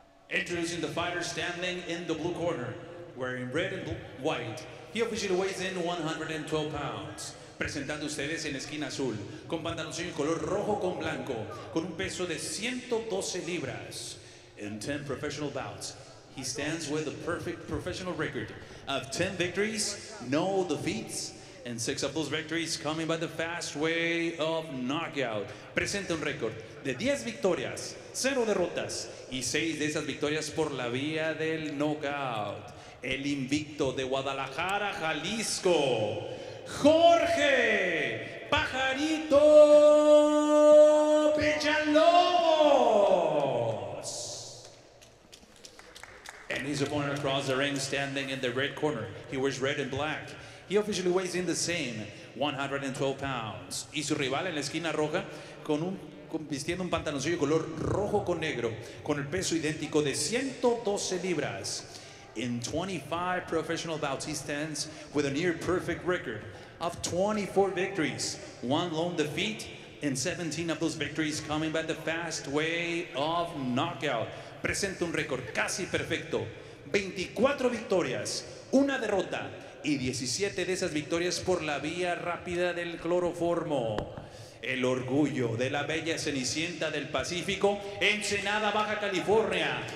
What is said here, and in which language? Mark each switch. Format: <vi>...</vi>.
<en>Introducing the fighter standing in the blue corner, wearing red and white. He officially weighs in 112 pounds.</en> <es>Presentando ustedes en esquina azul, con pantaloncillo color rojo con blanco, con un peso de 112 libras.</es> <en>In 10 professional bouts, he stands with a perfect professional record of 10 victories, no defeats, and 6 of those victories coming by the fast way of knockout.</en> <es>Presenta un récord de 10 victorias, 0 derrotas, y 6 de esas victorias por la vía del knockout. El invicto de Guadalajara, Jalisco, Jorge Pajarito Villalobos.</es> <en>And his opponent across the ring, standing in the red corner. He wears red and black. He officially weighs in the same, 112 pounds.</en> <es>Y su rival en la esquina roja, vistiendo un pantaloncillo color rojo con negro, con el peso idéntico de 112 libras.</es> <en>In 25 professional bouts, he stands with a near-perfect record of 24 victories, 1 lone defeat, and 17 of those victories coming by the fast way of knockout.</en> <es>Presenta un récord casi perfecto, 24 victorias, 1 derrota, y 17 de esas victorias por la vía rápida del cloroformo. El orgullo de la bella Cenicienta del Pacífico, Ensenada, Baja California.</es>